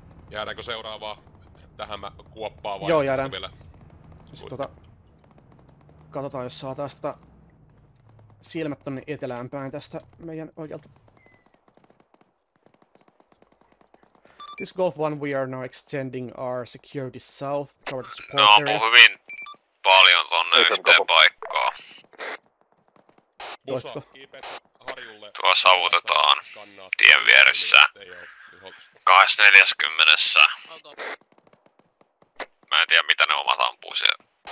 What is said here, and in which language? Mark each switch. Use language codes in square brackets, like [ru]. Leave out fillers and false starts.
[fi] Jäädäänkö seuraavaa tähän kuoppaan vai? Joo, jäädään. Katsotaan, jos saa tästä silmät tonne etelään päin tästä meidän oikealta. [en] This Gulf 1, we are now extending our security south toward the support area. [fi] No, ampuu hyvin paljon tonne yhteen paikkaan. Toistatko? Tuo savutetaan tien vieressä. 240. Mä en tiedä mitä ne omat ampuu siellä.